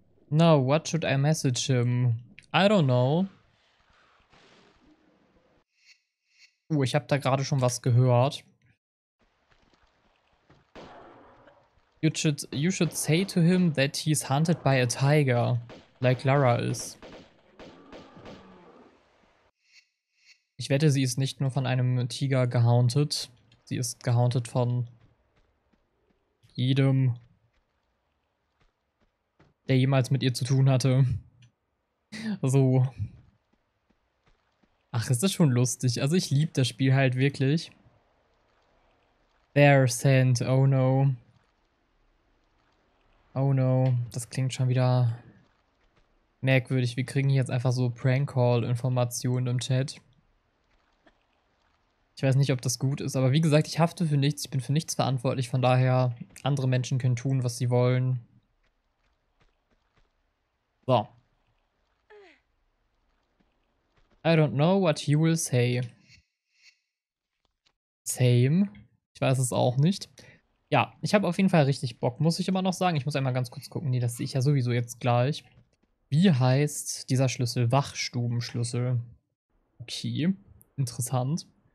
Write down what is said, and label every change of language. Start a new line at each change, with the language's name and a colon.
English: Now, what should I message him? I don't know.
German: Ich habe da gerade schon was gehört.
English: You should say to him that he's hunted by a tiger, like Lara is.
German: Ich wette, sie ist nicht nur von einem Tiger gehauntet. Sie ist gehauntet von jedem, der jemals mit ihr zu tun hatte. So. Ach, ist das schon lustig. Also ich liebe das Spiel halt wirklich.
English: Bear Sand, oh no.
German: Oh no, das klingt schon wieder merkwürdig. Wir kriegen hier jetzt einfach so Prank-Call-Informationen im Chat. Ich weiß nicht, ob das gut ist, aber wie gesagt, ich hafte für nichts, ich bin für nichts verantwortlich, von daher, andere Menschen können tun, was sie wollen. So.
English: I don't know what he will say.
German: Same. Ich weiß es auch nicht. Ja, ich habe auf jeden Fall richtig Bock, muss ich immer noch sagen. Ich muss einmal ganz kurz gucken. Nee, das sehe ich ja sowieso jetzt gleich. Wie heißt dieser Schlüssel? Wachstubenschlüssel. Okay, interessant.